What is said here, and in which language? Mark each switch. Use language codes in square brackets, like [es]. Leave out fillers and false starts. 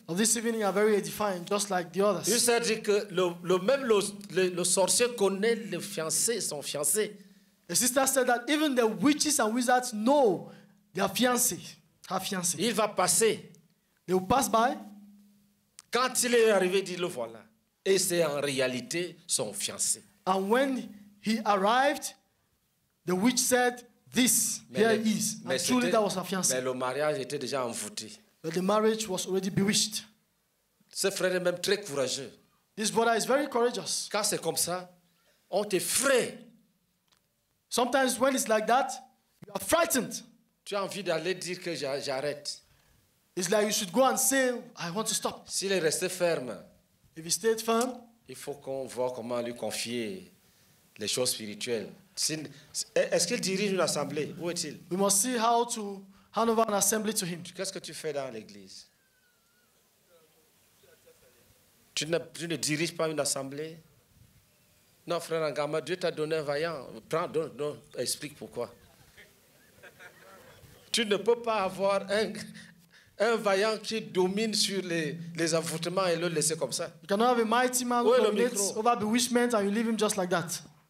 [en] Of this evening are very edifying, just like the others. [fr] Il s'est dit que le sorcier connaît le fiancé, son fiancé. [en] The sister said that even the witches and wizards know their fiancé, her fiancé. [fr] Il va passer. [en] They will pass by. [fr] Quand il est arrivé, dit le voilà. Et c'est en réalité son fiancé. [en] And when he arrived, the witch said, this, there he is. And truly that was her fiancé. [fr] Mais le mariage était déjà envoûté. [en] But the marriage was already bewitched. [fr] Ce frère est même très courageux. [en] This brother is very courageous. [fr] Quand c'est comme ça, on t'effraie. [en] Sometimes when it's like that, you are frightened. [fr] Tu as envie d'aller dire que j'arrête. [en] It's like you should go and say, I want to stop. [fr] S'il est resté ferme, [en] if he stayed firm, [fr] il faut qu'on voit comment lui confier les choses spirituelles. Est-ce qu'il dirige une assemblée? Où est-il? [en] We must see how to hand over an assembly to him. [fr] Qu'est-ce que tu fais dans l'église? Tu ne diriges pas une assemblée? Non, frère Angama, Dieu t'a donné un vaillant. Prends, donne, explique pourquoi. Tu ne peux pas avoir un vaillant qui domine sur les avortements et le laisser comme ça. [en] You cannot have a mighty man who dominates over bewitchment and you leave him just like that.